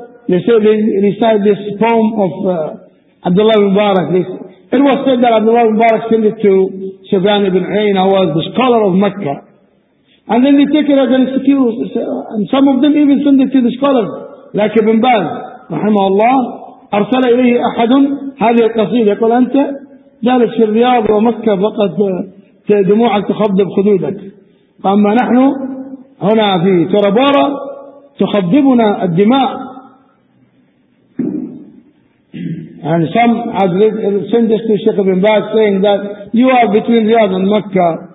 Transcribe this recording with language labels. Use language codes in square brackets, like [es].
[en] They say this poem of Abdullah bin Mubarak. It was said that Abdullah bin Mubarak sent it to Sufyan bin Uyayna, who was the scholar of Mecca. And then they take it as an excuse, and some of them even send it to the scholar, like Ibn Baz, [ar] رحمه الله, أرسل إليه أحد هذه القصيدة. يقول أنت جالس في الرياض ومكة فقد دموعك تخضب خدودك، أما نحن هنا في ترابورة تخضبنا الدماء. [en] And some have sent this to Sheikh Ibn Baz saying that you are between Riyadh and Mecca.